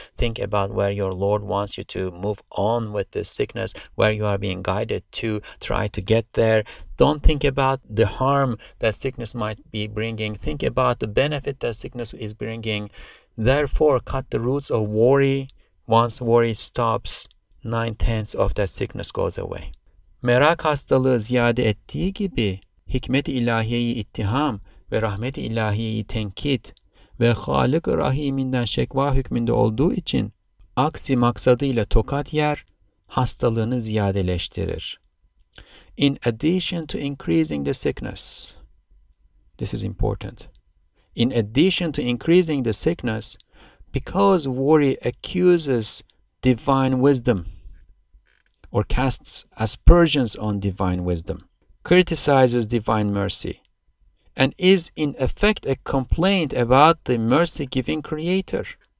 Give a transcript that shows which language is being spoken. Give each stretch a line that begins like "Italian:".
English: Think about where your Lord wants you to move on with this sickness, where you are being guided to try to get there. Don't think about the harm that sickness might be bringing. Think about the benefit that sickness is bringing. Therefore, cut the roots of worry. Once worry stops, 9/10 of that sickness goes away.
Turkish: Merak hastalığı ziyade ettiği gibi hikmet-i ilahiyeyi ittiham ve rahmet-i ilahiyeyi tenkit ve Halık-ı Rahim'inden şekva hükmünde olduğu için aksi maksadıyla tokat yer, hastalığını ziyadeleştirir.
English: In addition to increasing the sickness, this is important. In addition to increasing the sickness, because worry accuses divine wisdom or casts aspersions on divine wisdom, criticizes divine mercy, and is in effect a complaint about the mercy-giving creator.